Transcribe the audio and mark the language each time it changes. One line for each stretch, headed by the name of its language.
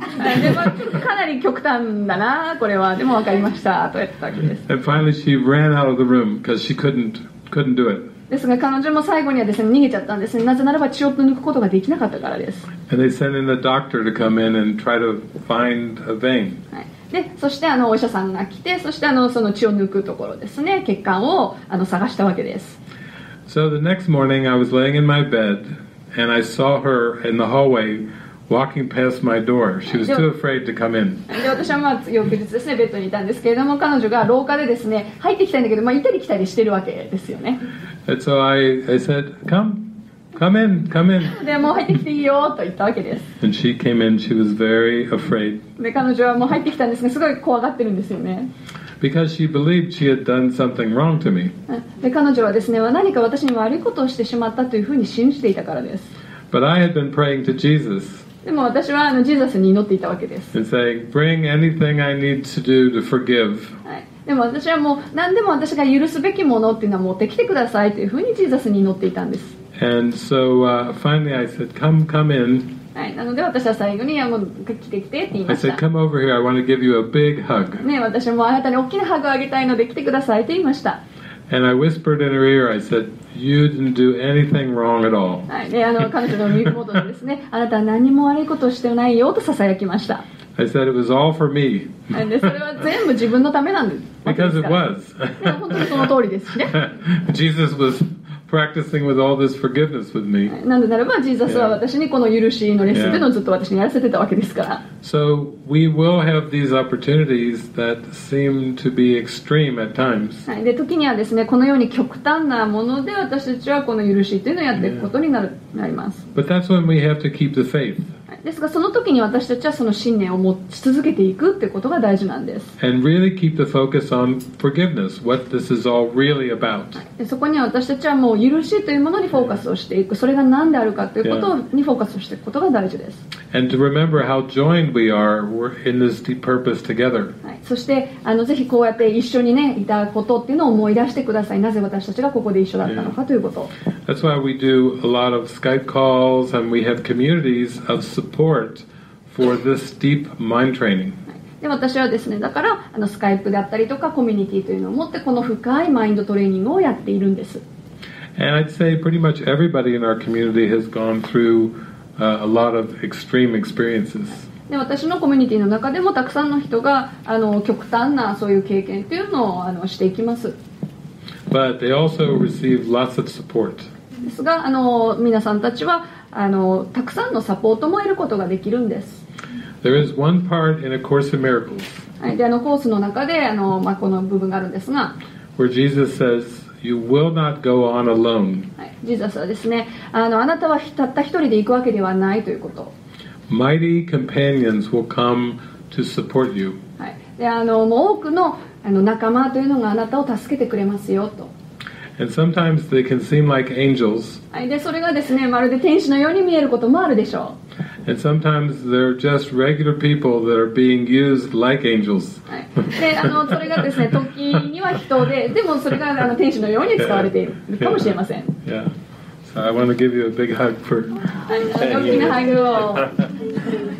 Japanese: はい。でもかなり極端だなこれは。でもわかりましたとやってたわけです。
English: And finally she ran out of the room because she couldn't do it.
Japanese: ですが彼女も最後にはですね逃げちゃったんですね。なぜならば血を抜くことができなかったからです。
English: And they sent in the doctor to come in and try to find a vein.
Japanese: はい。で、そしてあのお医者さんが来て、そしてあのその血を抜くところですね、血管をあの探したわけです。
English: So the next morning I was laying in my bed and I saw her in the hallway walking past my door. She was too afraid to come in.
Japanese: で、私はまあ翌日ですねベッドにいたんですけれども、彼女が廊下でですね入ってきたんだけど、まあ行ったり来たりしてるわけですよね。
English: And so I said, come in. And she came in. She was very afraid. Because she believed she had done something wrong to me.
Japanese: で彼女はですね、何か私に悪いことをしてしまったというふうに信じていたからです。
English: But I had been praying to Jesus.
Japanese: でも私はジーザスに祈っていたわけです。
English: And saying, bring anything I need to do to forgive.
Japanese: はい。でも私はもう何でも私が許すべきものっていうのは持ってきてくださいというふうにジーザスに祈っていたんです。
English: And so, finally I said, come in.
Japanese: はい、なので私は最後にもう来てきてって言いました。
English: I said, come over here. I want to give you a big hug.
Japanese: ね、私もあなたに大きなハグをあげたいので来てくださいって言いました。
English: And I whispered in her ear, I said, you didn't do anything wrong at all.
Japanese: はい、ね、彼女の耳元でですね、あなたは何も悪いことをしてないよとささやきました。
English: I said, it was all for me.
Japanese: で、それは全部自分のためなんです。
English: Because it was.
Japanese: 本当にその通りですね。
English: Jesus was... practicing with all this forgiveness with me.
Japanese: なんでならば、ジーザスは私にこの許しのレッスンというのをずっと私にやらせてたわけですから。
English: So we will have these opportunities that seem to be extreme at times.
Japanese: はい、で、時にはですね、このように極端なもので私たちはこの許しというのをやっていくことになる、なります。
English: But that's when we have to keep the faith.
Japanese: ですがその時に私たちはその信念を持ち続けていくってことが大事なんです。
English: And really keep the focus on forgiveness, what this is all really about.
Japanese: そこには私たちはもう許しというものにフォーカスをしていく、それが何であるかということにフォーカスをしていくことが大事です。
English: And to remember how joined we are, we're in this deep purpose together.
Japanese: そしてぜひこうやって一緒にねいたことっていうのを思い出してください。なぜ私たちがここで一緒だったのかということ。
English: That's why we do a lot of Skype calls and we have communities of support for this deep mind training.
Japanese: で、私はですね、だからスカイプであったりとかコミュニティというのを持ってこの深いマインドトレーニングをやっているんです。
English: And I'd say pretty much everybody in our community has gone through a lot of extreme experiences.
Japanese: で、私のコミュニティの中でもたくさんの人が極端なそういう経験というのをしていきます。
English: But they also receive lots of support.
Japanese: ですが、皆さんたちはたくさんのサポートも得ることができるんです。
English: There is one part in A Course in Miracles.
Japanese: はい、で、コースの中で、まあ、この部分があるんですが、
English: Where Jesus says, you will not go on alone.
Japanese: はい、ジーザスはですね、あなたはたった一人で行くわけではないということ。
English: Mighty companions will come to support you.
Japanese: はい、で、もう多くの、仲間というのがあなたを助けてくれますよと。
English: And sometimes they can seem like angels.
Japanese: はい、で、それがですね、まるで天使のように見えることもあるでしょう。
English: And sometimes they're just regular people that are being used like angels.
Japanese: はい、で、それがですね、時には人で、でもそれが天使のように使われているかもしれません。
English: Yeah. Yeah. So I want to give you a big hug for.
Japanese: 大きなハグを。